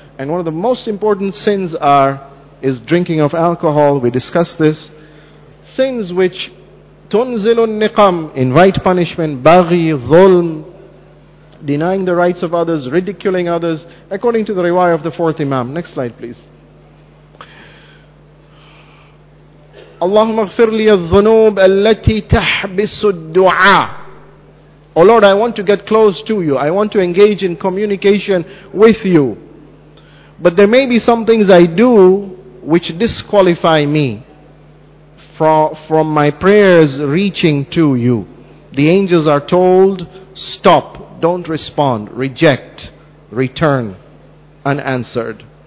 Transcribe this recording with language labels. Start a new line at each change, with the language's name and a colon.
English: And one of the most important sins is drinking of alcohol. We discussed this. Sins which
Arabic: تنزل النقم,
English: invite punishment, بغي, ظلم, denying the rights of others, ridiculing others, according to the riwayah of the fourth imam. Next slide, please.
Arabic: اللهم اغفر لي الذنوب التي تحبس الدعاء.
English: Oh Lord, I want to get close to you. I want to engage in communication with you. But there may be some things I do which disqualify me from my prayers reaching to you. The angels are told, stop, don't respond, reject, return, unanswered.